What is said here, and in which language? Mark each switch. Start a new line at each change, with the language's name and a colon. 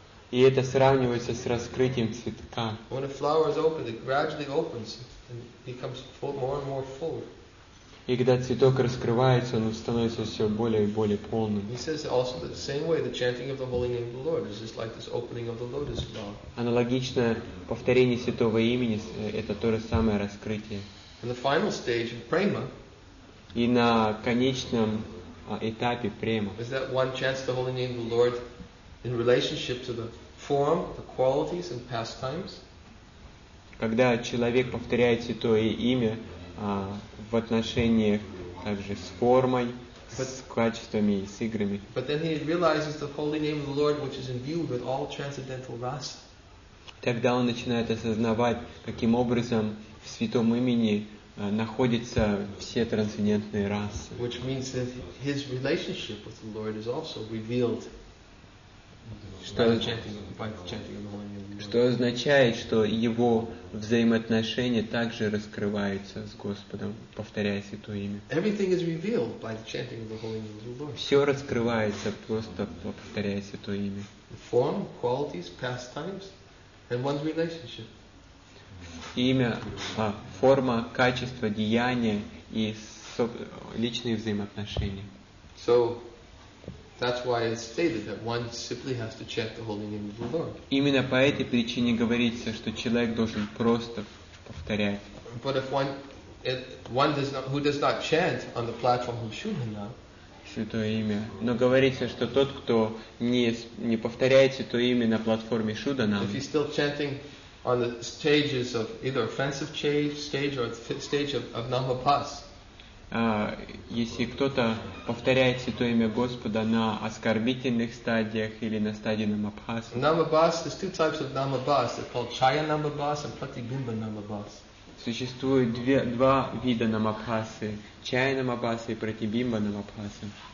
Russian: И это сравнивается с раскрытием цветка.
English: When a flower is opened, it gradually opens and becomes full, more and more full.
Russian: И когда цветок раскрывается, он становится все более и более полным.
English: He says also that the same way the chanting of the holy name of the Lord is just like this opening of the lotus flower.
Russian: Аналогично повторение святого имени это то же самое раскрытие.
English: In the final stage of prema.
Russian: И на конечном этапе према.
English: Is that one chants the holy name of the Lord in relationship to the form, the qualities, and pastimes?
Russian: Когда человек повторяет святое имя в отношениях также с формой, с качествами и с играми.
English: But then he realizes the holy name of the Lord, which is imbued with all transcendental rasa.
Russian: Тогда он начинает осознавать, каким образом в святом имени находятся все трансцендентные расы.
English: Which means that his relationship with the Lord is also revealed.
Russian: Что означает, что его взаимоотношения также раскрываются с Господом, повторяя Святое Имя.
English: Everything is revealed by the chanting of the Holy Name of the Lord.
Russian: Все раскрывается просто повторяя Святое Имя.
English: The form, qualities, pastimes, and one's relationship.
Russian: Имя, форма, качество, деяния и личные взаимоотношения.
English: So, that's why it's stated that one simply has to chant the holy name of the Lord.
Russian: Именно по этой причине говорится, что человек должен просто повторять.
English: But if one, who does not chant on the platform of Shudhana,
Russian: Святое имя. Но говорится, что тот, кто не повторяет Святое имя на платформе Шудана,
English: if he's still chanting on the stages of either offensive stage or the stage of Namapas.
Russian: Если кто-то повторяет Святое Имя Господа на оскорбительных стадиях или на стадии Намабхаса.
English: Намабхас, there's two types of Намабхас. They're called Чая Намабхас and Пратибимба Намабхас.
Russian: Существует два вида Намабхасы. Чая Намабхаса и Пратибимба Намабхаса.